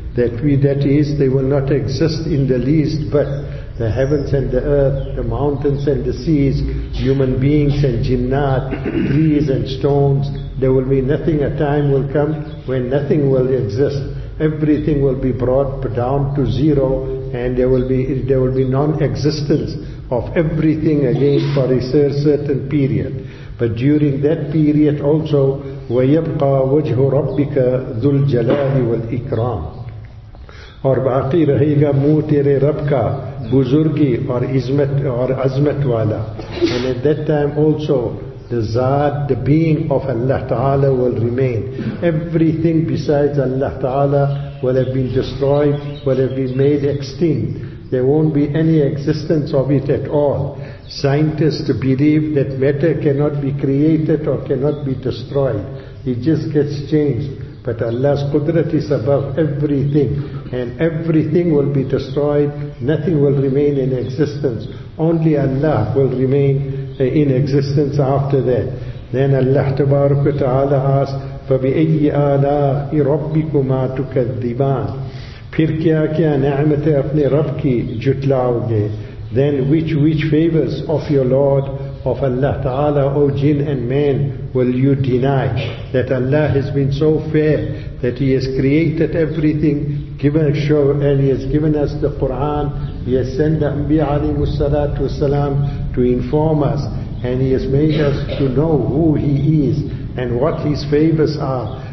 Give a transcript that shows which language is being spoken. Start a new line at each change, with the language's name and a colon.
English: That is, they will not exist in the least, but the heavens and the earth, the mountains and the seas, human beings and jinnat, trees and stones, there will be nothing. A time will come when nothing will exist. Everything will be brought down to zero, and there will be non-existence of everything again for a certain period. But during that period also,
Arabic: وَيَبْقَى وَجْهُ رَبِّكَ ذُو الْجَلَالِ وَالْإِكْرَامِ.
Urdu: اور باقی رہے گا منہ تیرے رب کا بزرگی اور عظمت اور عظمت والا.
English: And at that time also the Zaat, the being of Allah Ta'ala will remain. Everything besides Allah Ta'ala will have been destroyed, will have been made extinct. There won't be any existence of it at all. Scientists believe that matter cannot be created or cannot be destroyed. It just gets changed. But Allah's Qudrat is above everything, and everything will be destroyed, nothing will remain in existence. Only Allah will remain in existence after that. Then Allah Tabarak wa Ta'ala asks,
Arabic: فَبِأَيِّ آلَاءِ رَبِّكُمَا تُكَذِّبَانِ.
Urdu: پھر کیا کیا نعمتیں اپنے رب کی جھٹلاؤ گے.
English: Then which favors of your Lord, of Allah Ta'ala, O jinn and man, will you deny? That Allah has been so fair that He has created everything, given us the Quran, He has sent the Anbiya alayhi salatu wasalam to inform us, and He has made us to know who He is and what His favors are.